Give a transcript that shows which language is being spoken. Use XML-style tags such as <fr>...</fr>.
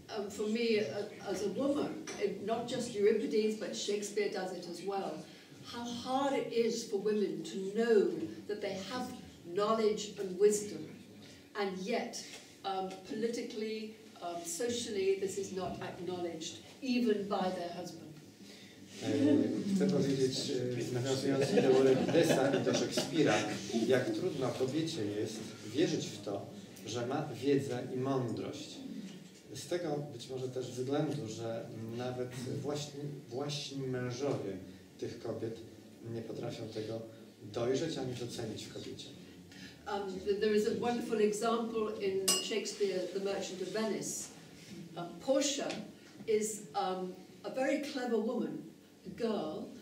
<en>For me as a woman, not just Euripides, but Shakespeare does it as well. How hard it is for women to know that they have knowledge and wisdom. And yet, politically, socially, this is not acknowledged, even by their husband.</en> <pl>Chcę powiedzieć, nawiązując do Eurypidesa i do Szekspira, jak trudno kobiecie jest wierzyć w to, że ma wiedzę i mądrość. Z tego być może też względu, że nawet właśnie mężowie tych kobiet nie potrafią tego dojrzeć, ani docenić w kobiecie.</pl> <en>There is a wonderful example in Shakespeare, The Merchant of Venice. Portia is a very clever woman, a girl.</en>